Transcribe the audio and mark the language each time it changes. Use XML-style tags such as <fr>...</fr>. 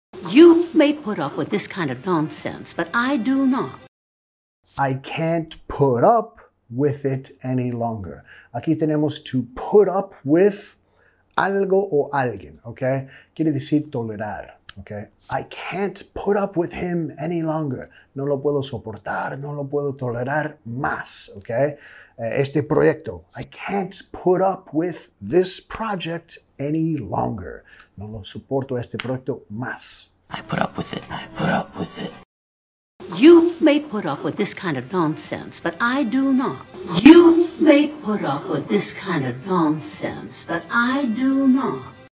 <en>You may put up with this kind of nonsense, but I do not. I can't put up with it any longer.</en> <es>Aquí tenemos</es> <en>to put up with</en> <es>algo o alguien, okay? Quiere decir tolerar.</es> <en>Okay, I can't put up with him any longer.</en> <es>No lo puedo soportar, no lo puedo tolerar más, okay? Este proyecto.</es> <en>I can't put up with this project any longer.</en> <es>No lo soporto este proyecto más.</es> <en>I put up with it. I put up with it. You may put up with this kind of nonsense, but I do not. You may put up with this kind of nonsense, but I do not.</en>